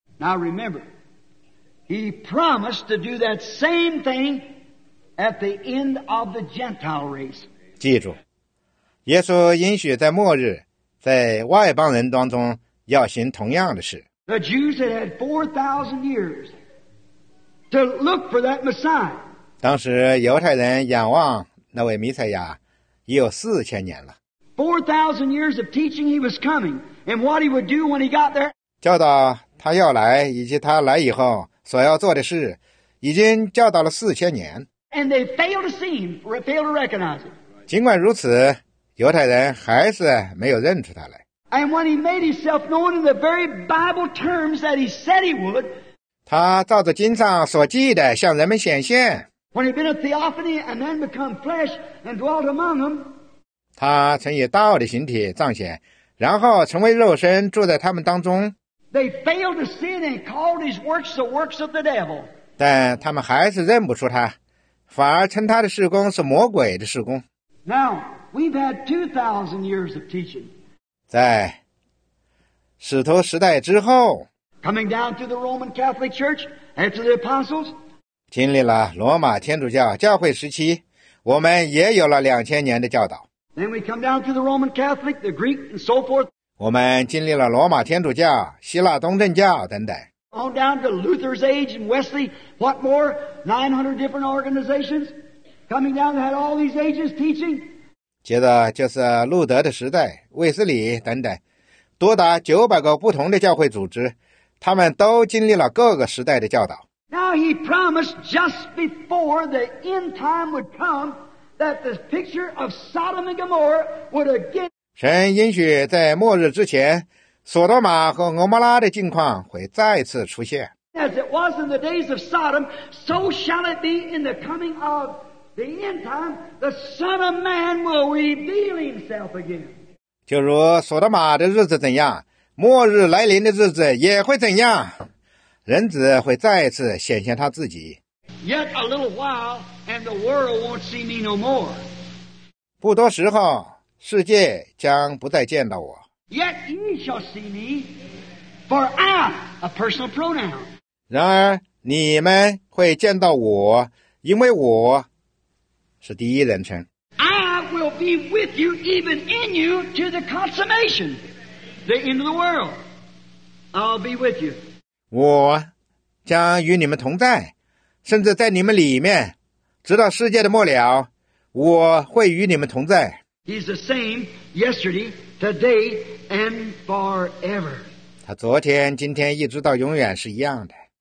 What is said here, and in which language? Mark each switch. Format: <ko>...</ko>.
<en>Now remember, he promised to do that same thing at the end of the Gentile race.</en> <zh>记住，耶稣应许在末日在外邦人当中要行同样的事。</zh> <en>The Jews had had 4,000 years to look for that Messiah.</en> <zh>当时犹太人仰望那位弥赛亚已有4000年了。</zh> <en>4,000 years of teaching he was coming and what he would do when he got there.</en> <zh>教导他要来以及他来以后所要做的事已经教导了4000年。</zh> <en>And they failed to see him, failed to recognize him.</en> <zh>尽管如此犹太人还是没有认出他来。</zh> <en>And when he made himself known in the very Bible terms that he said he would,</en> <zh>他照着经上所记的向人们显现。</zh> <en>When he'd been a theophany and then become flesh and dwelt among them,</en> <zh>他曾以道的形体彰显，然后成为肉身住在他们当中。</zh> <en>They failed to see and called his works the works of the devil.</en> <zh>但他们还是认不出他，反而称他的事工是魔鬼的事工。</zh> <en>Now, we've had 2,000 years of teaching.</en> <zh>在使徒时代之后</zh> <en>coming down to the Roman Catholic Church after the apostles,</en> <zh>经历了罗马天主教教会时期，我们也有了2000年的教导。</zh> <en>Then we come down to the Roman Catholic, the Greek, and so forth.</en> <zh>我们经历了罗马天主教、希腊东正教等等。</zh> <en>On down to Luther's age and Wesley, what more? 900 different organizations coming down that had all these ages teaching.</en> <zh>接着就是路德的时代、卫斯理等等，多达900个不同的教会组织，他们都经历了各个时代的教导。</zh> <en>Now he promised just before the end time would come that the picture of Sodom and Gomorrah would again.</en> <zh>神应许在末日之前，索多玛和俄摩拉的境况会再次出现。</zh> <en>As it was in the days of Sodom, so shall it be in the coming of the end time. The Son of Man will reveal himself again.</en> <zh>就如索多玛的日子怎样，末日来临的日子也会怎样。人子会再次显现他自己。</zh> <en>Yet a little while, and the world won't see me no more.</en> <zh>不多时候，世界将不再见到我。</zh> <en>Yet you shall see me, for I, a personal pronoun.</en> <zh>然而你们会见到我，因为我是第一人称。</zh> <en>I will be with you, even in you, to the consummation, the end of the world. I'll be with you.</en> <zh>我将与你们同在，甚至在你们里面，直到世界的末了，我会与你们同在。</zh> <en>He's the same yesterday, today, and forever.</en> <zh>他昨天、今天一直到永远是一样的。</zh>